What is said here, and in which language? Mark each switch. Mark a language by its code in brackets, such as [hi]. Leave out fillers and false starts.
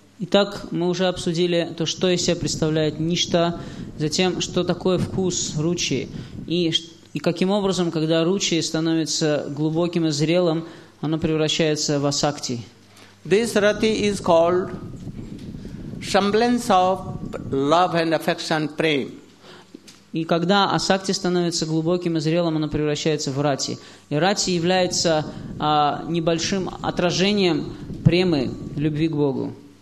[ru] Итак, мы уже обсудили то, что из себя представляет ништа, затем, что такое вкус ручи, и каким образом, когда ручи становится глубоким и зрелым, оно превращается в асакти. [en] This rati is called semblance of love and affection, prem. [ru] И когда асакти становится глубоким и зрелым, оно превращается в рати. И рати является небольшим отражением премы, любви к Богу.